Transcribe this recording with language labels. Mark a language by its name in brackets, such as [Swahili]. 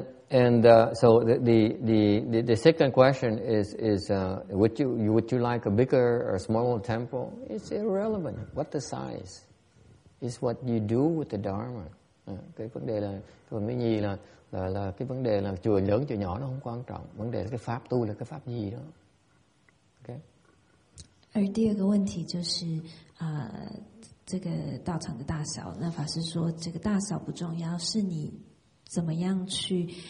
[English] And so the second question is would you like a bigger or smaller temple? It's irrelevant. What the size is what you do with the dharma. [Vietnamese] Cái vấn đề là còn cái gì là cái vấn đề là chùa lớn chùa nhỏ nó không quan trọng. Vấn đề là cái pháp tu là cái pháp gì đó. [English] Okay. [Chinese] 而第二个问题就是这个道场的大小。那法师说这个大小不重要，是你怎么样去？